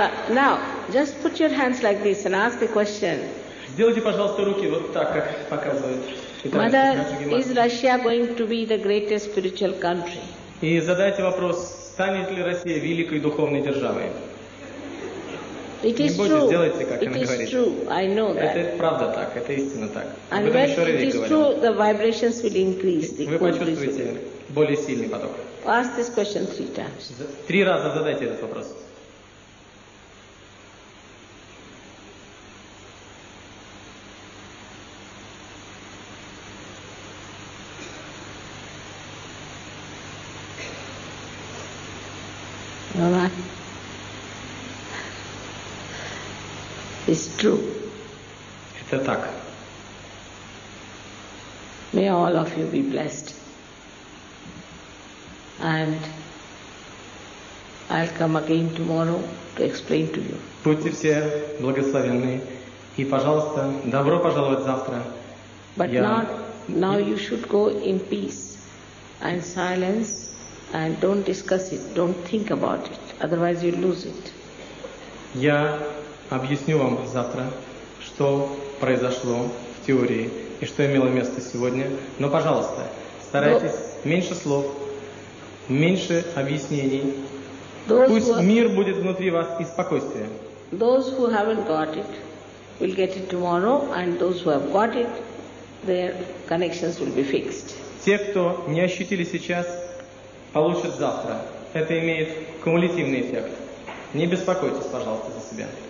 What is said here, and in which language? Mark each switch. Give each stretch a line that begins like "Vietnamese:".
English: Now, just put your hands like this and ask the question.
Russian: Сделайте, пожалуйста, руки вот так, как показывает.
English: Mother, is Russia going to be the greatest spiritual country?
Russian: И задайте вопрос, станет ли Россия великой духовной державой?
English: It is true.
Russian: Сделайте, как она говорит.
English: It is true. I know that.
Russian: Это правда так. Это истинно так.
English: And when it is true, the vibrations will increase.
Russian: Вы почувствуете более сильный поток.
English: Ask this question three times.
Russian: Три раза задайте этот вопрос.
English: It's true.
Russian: Это так.
English: May all of you be blessed. And I'll come again tomorrow to explain to you.
Russian: Будьте все благословенны. И, пожалуйста, добро пожаловать завтра.
English: But now you should go in peace and silence and don't discuss it, don't think about it. Otherwise you lose it.
Russian: Я объясню вам завтра, что произошло в теории и что имело место сегодня. Но, пожалуйста, старайтесь меньше слов, меньше объяснений. Пусть мир будет внутри вас и спокойствие.
English: Those who haven't got it will get it tomorrow, and those who have got it, their connections will be fixed.
Russian: Те, кто не ощутили сейчас, получат завтра. Это имеет кумулятивный эффект. Не беспокойтесь, пожалуйста, за себя.